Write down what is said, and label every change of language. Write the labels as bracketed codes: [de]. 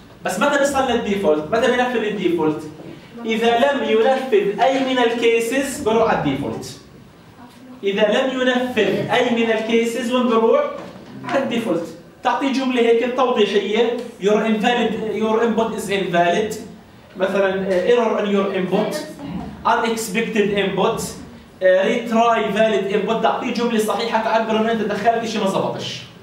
[ar] بس متى بيصل للديفولت؟ متى بينفذ الديفولت؟ إذا لم ينفذ أي من الكيسز بروح على الديفولت. إذا لم ينفذ أي من الكيسز بروح على الديفولت. تعطي جملة هيك توضيحية. [en] Your invalid, your input is invalid. [ar] مثلا [en] error in your input. Unexpected input. Retry valid input. [ar] تعطي جملة صحيحة تعبر أن أنت دخلت شيء ما زبطش.